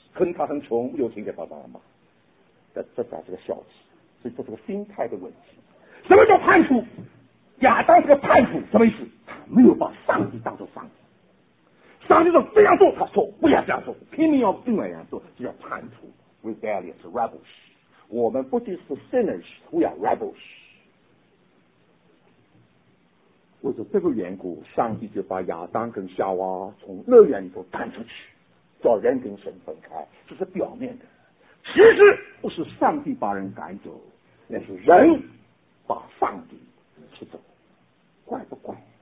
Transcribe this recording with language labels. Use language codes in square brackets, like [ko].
[zh] 可能他很穷，没有钱给爸爸妈妈，这才是个孝子。所以这是个心态的问题。什么叫叛徒？亚当是个叛徒，什么意思？他没有把上帝当做上帝。上帝说这样做，他说不要这样做，拼命要另外一样做，这叫叛徒。 [en] Rebellious rebels， [zh] 我们不仅是 [en] sinners， we are rebels。 [zh] 为了这个缘故，上帝就把亚当跟夏娃从乐园里头赶出去，叫人跟神分开。这是表面的，其实不是上帝把人赶走，那是人把上帝踢走。怪不怪？